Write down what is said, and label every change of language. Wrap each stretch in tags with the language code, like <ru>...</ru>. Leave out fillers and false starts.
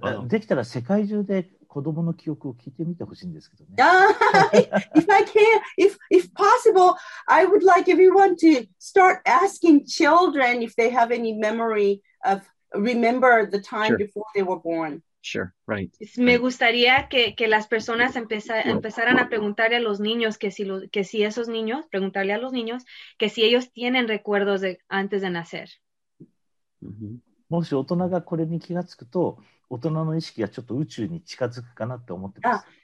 <ja>できたら世界中で子供の記憶を聞いてみてほしいんですけどね。</ja> <en>If I can, if possible, I would like everyone to start asking children if they have any memory of, remember the time before they were born. Sure, right.</en> <es>Me gustaría que las personas empezaran a preguntarle a los niños preguntarle a los niños que si ellos tienen recuerdos de antes de nacer.</es> <ja>もし大人がこれに気がつくと、大人の意識がちょっと宇宙に近づくかなって思ってます。</ja>